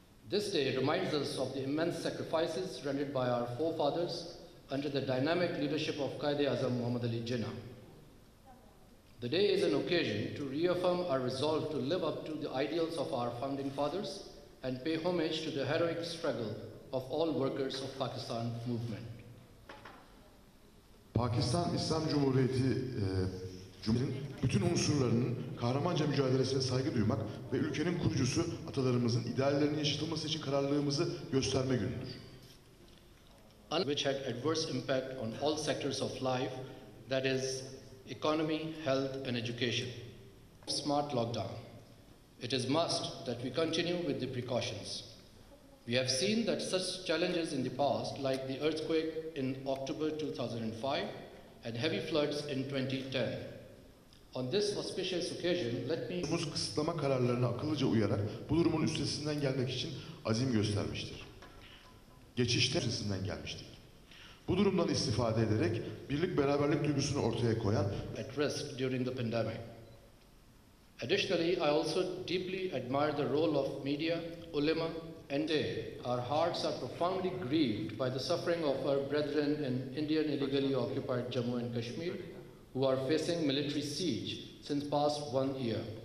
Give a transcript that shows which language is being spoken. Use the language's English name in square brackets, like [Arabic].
[English] This day reminds us of the immense sacrifices rendered by our forefathers under the dynamic leadership of Qaid-e-Azam Muhammad Ali Jinnah. The day is an occasion to reaffirm our resolve to live up to the ideals of our founding fathers and pay homage to the heroic struggle of all workers of Pakistan movement. [Turkish] Pakistan İslam Cumhuriyeti Cumhuriyeti'nin bütün unsurlarının kahramanca mücadelesine saygı duymak ve ülkenin kurucusu atalarımızın ideallerinin yaşatılması için kararlılığımızı gösterme günüdür. [English] Which had adverse impact on all sectors of life, that is economy, health and education. Smart lockdown. It is must that we continue with the precautions. We have seen that such challenges in the past, like the earthquake in October 2005 and heavy floods in 2010. On this auspicious occasion, let me... [Turkish] ...kısıtlama kararlarına akıllıca uyarak bu durumun üstesinden gelmek için azim göstermiştir. Geçişte üstesinden gelmiştik. Bu durumdan istifade ederek birlik beraberlik duygusunu ortaya koyan... [English] ...at risk during the pandemic. Additionally, I also deeply admire the role of media, ulema, and today, our hearts are profoundly grieved by the suffering of our brethren in Indian illegally occupied Jammu and Kashmir, who are facing military siege since past 1 year.